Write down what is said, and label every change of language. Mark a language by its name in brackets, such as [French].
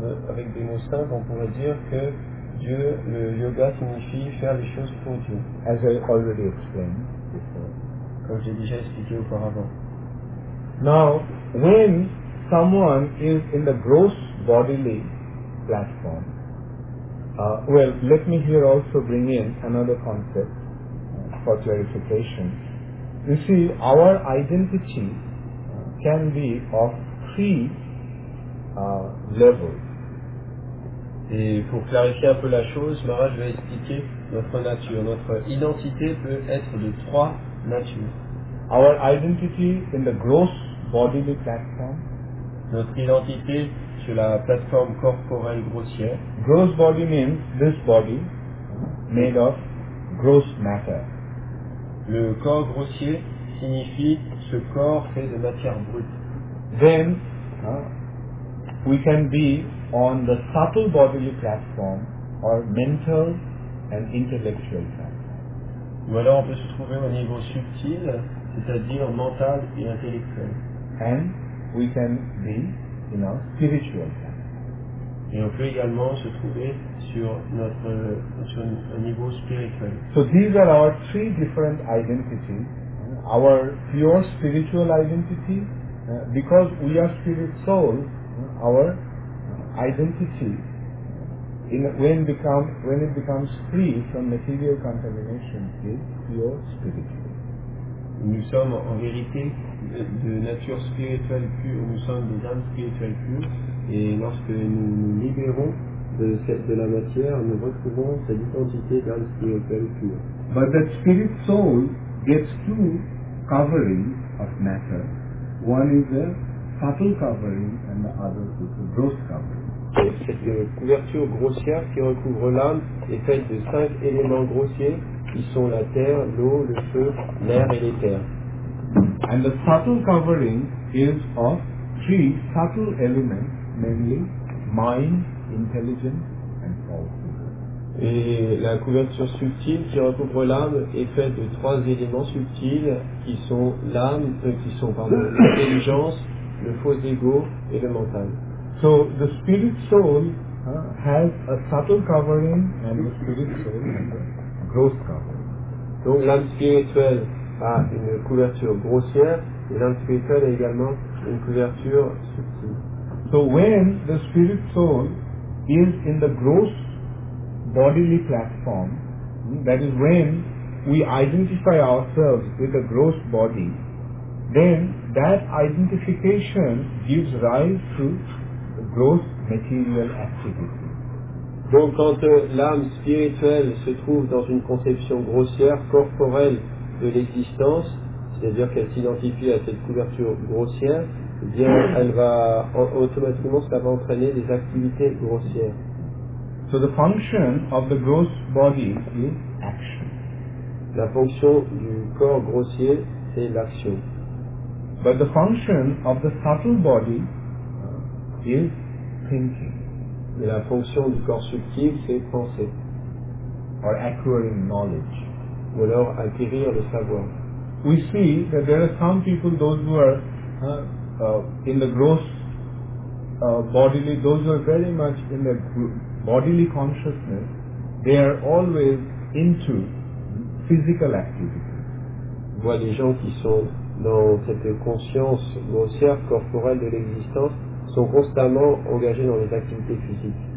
[French] avec des mots simples, on pourrait dire que Dieu, le yoga signifie faire les choses pour Dieu. [English] As I already explained before. [French] Comme j'ai déjà expliqué auparavant. [English] Now, when someone is in the gross bodily platform, well, let me here also bring in another concept for clarification. You see, our identity can be of three levels. [French] Et pour clarifier un peu la chose, Maharaj va expliquer notre nature. Notre identité peut être de trois natures. [English] Our identity in the gross bodily platform. [French] Notre identité sur la plateforme corporelle grossière. [English] Gross body means this body made of gross matter. [French] Le corps grossier signifie ce corps fait de matière brute. [English] Then, we can be on the subtle bodily platform or mental and intellectual platform. [French] Ou alors on peut se trouver au niveau subtil, c'est-à-dire mental et intellectuel. [English] And we can be, you know, spiritual platform. [French] Et on peut également se trouver sur un niveau spirituel. [English] So these are our three different identities. Our pure spiritual identity, because we are spirit soul, our identity, when it becomes free from material contamination, is pure spiritual. [French] Nous sommes en vérité de nature spirituelle pure, nous sommes des âmes spirituelles pures, et lorsque nous nous libérons de la matière, nous retrouvons cette identité d'âme spirituelle pure. [English] But that spirit soul gets two coverings of matter. One is a subtle covering and the other is a gross covering. [French] Cette couverture grossière qui recouvre l'âme est faite de cinq éléments grossiers qui sont la terre, l'eau, le feu, l'air et l'éther. [English] And the subtle covering is of three subtle elements, namely mind, intelligence and thought. [French] Et la couverture subtile qui recouvre l'âme est faite de trois éléments subtils qui sont l'âme, qui sont pardon, l'intelligence, le faux ego et le mental. [English] So the spirit soul has a subtle covering and the spirit soul has a gross covering. [French] Donc l'âme spirituelle a une couverture grossière et l'âme spirituelle a également une couverture subtile. [English] So when the spirit soul is in the gross bodily platform, that is when we identify ourselves with the gross body, then that identification gives rise to gross material activity. [French] Donc quand l'âme spirituelle se trouve dans une conception grossière, corporelle de l'existence, c'est-à-dire qu'elle s'identifie à cette couverture grossière, bien, elle va automatiquement, ça va entraîner des activités grossières. [English] So the function of the gross body is action. [French] La fonction du corps grossier, c'est l'action. [English] But the function of the subtle body is thinking. [French] Et la fonction du corps subtil, c'est penser. [English] Or acquiring knowledge. [French] Ou alors acquérir le savoir. [English] We see that there are some people, those who are in the gross bodily, those who are very much in the bodily consciousness, they are always into physical activity. [French] On voit des gens qui sont dans cette conscience grossière, corporelle de l'existence, sont constamment engagés dans les activités physiques.